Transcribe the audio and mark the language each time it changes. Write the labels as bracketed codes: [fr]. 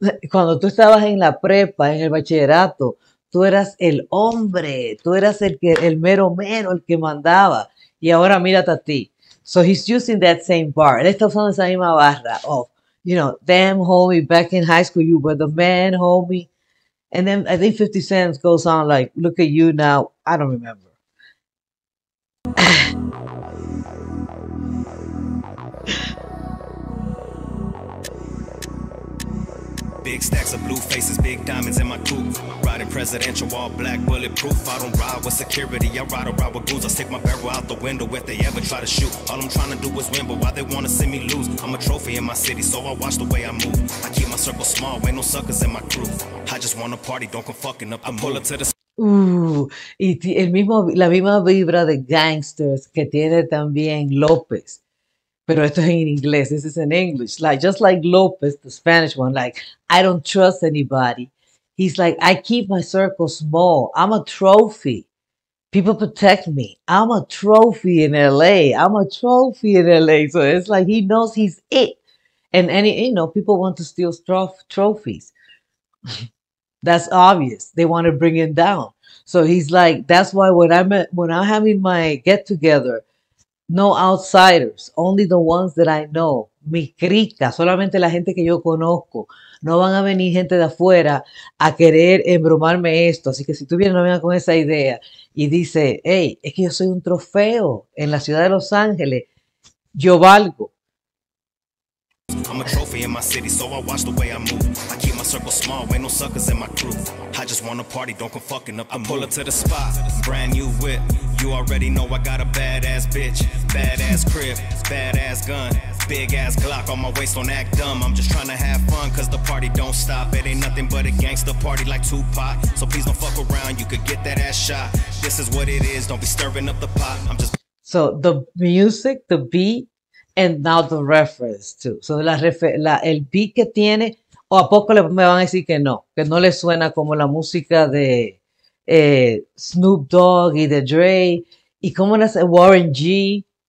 [es] Cuando tú estabas en la prepa, en el bachillerato, tú eras el hombre, tú eras el mero mero, el que mandaba. Y ahora mírate a ti. [en] So he's using that same bar. [es] Él está usando esa misma barra. [en] Oh, you know, damn homie, back in high school you were the man, homie. And then I think 50 Cent goes on like, look at you now. I don't remember. Big stacks of blue faces, big diamonds in my coupe. Riding presidential, all black, bulletproof. I don't ride with security, I ride around with goons. I stick my barrel out the window if they ever try to shoot. All I'm trying to do is win, but why they wanna see me lose? I'm a trophy in my city, so I watch the way I move. I keep my circle small, ain't no suckers in my crew. I just wanna party, don't come fucking up. I pull up to the... [es] Y el mismo, la misma vibra de gangsters que tiene también López. Pero esto es en inglés, [en] this is in English. Like, just like López, the Spanish one, like, I don't trust anybody. He's like, I keep my circle small. I'm a trophy. People protect me. I'm a trophy in LA. I'm a trophy in LA. So it's like, he knows he's it. And any, you know, people want to steal trophies. That's obvious. They want to bring him down. So he's like, that's why when I'm having my get together, no outsiders, only the ones that I know. [es] Mi crica, solamente la gente que yo conozco. No van a venir gente de afuera a querer embromarme esto. Así que si tú vienes, no vengas con esa idea. Y dice, hey, es que yo soy un trofeo en la ciudad de Los Ángeles. Yo valgo. [en] I'm a trophy in my city, so I watch the way I move. I keep my circle small, ain't no suckers in my crew. I just wanna party, don't come fucking up. I pull up to the spot, brand new whip. You already know I got a badass bitch, badass crib, badass gun, big ass Glock on my waist, don't act dumb. I'm just trying to have fun, cause the party don't stop. It ain't nothing but a gangster party like Tupac. So please don't fuck around, you could get that ass shot. This is what it is, don't be stirring up the pot. I'm just... So the music, the beat, and now the reference too. [es] So el beat que tiene, o a poco me van a decir que no le suena como la música de... Snoop Dogg y de Dre y como no sé, Warren G.